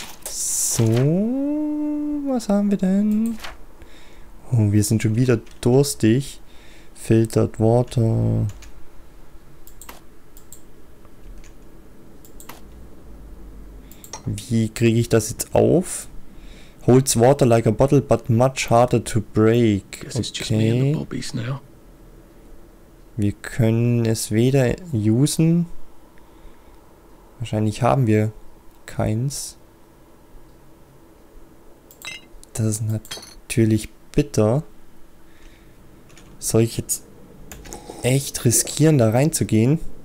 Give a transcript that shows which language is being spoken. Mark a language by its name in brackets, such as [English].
[German] So, was haben wir denn? Oh, wir sind schon wieder durstig. Filtered Water. Wie kriege ich das jetzt auf? [English] Holds water like a bottle, but much harder to break. [German] Okay. Wir können es weder usen. Wahrscheinlich haben wir keins. Das ist natürlich bitter. Soll ich jetzt echt riskieren, da reinzugehen?